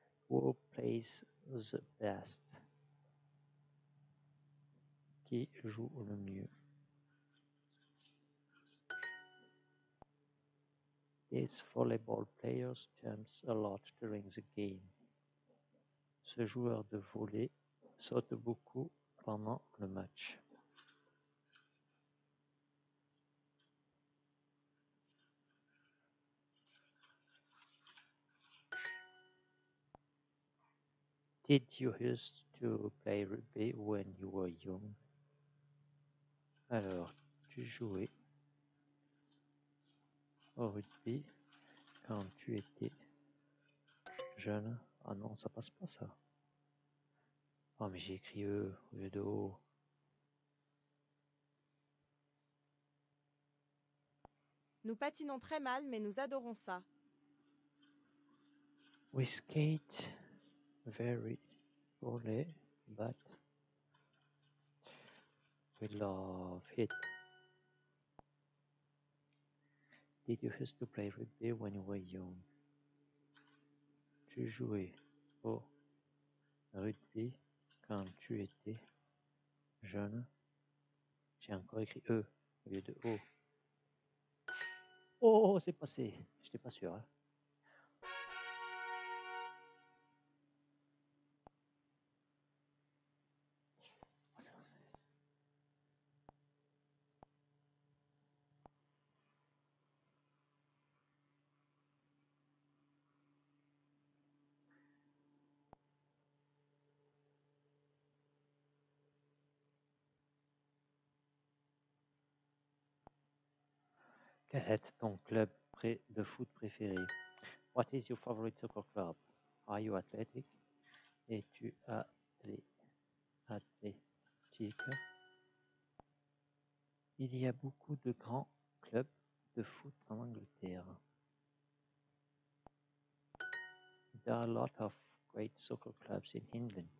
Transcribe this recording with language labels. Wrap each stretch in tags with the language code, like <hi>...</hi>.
<en>Who plays the best?</en> <fr>qui joue le mieux.</fr> <en>This volleyball player jumps a lot during the game.</en> <fr>Ce joueur de volley saute beaucoup pendant le match.</fr> <en>Did you used to play rugby when you were young?</en> <fr>Alors, tu jouais au rugby quand tu étais jeune? Ah non, ça passe pas ça. Oh mais j'ai écrit eux au lieu de haut. Nous patinons très mal, mais nous adorons ça.</fr> <en>We skate very volley, but we love it. Did you used to play rugby when you were young?</en> <fr>Tu jouais au rugby quand tu étais jeune? J'ai encore écrit E au lieu de O. Oh, c'est passé. J'étais pas sûr, hein. Quel est ton club de foot préféré?</fr> <en>What is your favorite soccer club? Are you athletic?</en> <fr>Es-tu athlétique? Il y a beaucoup de grands clubs de foot en Angleterre.</fr> <en>There are a lot of great soccer clubs in England.</en>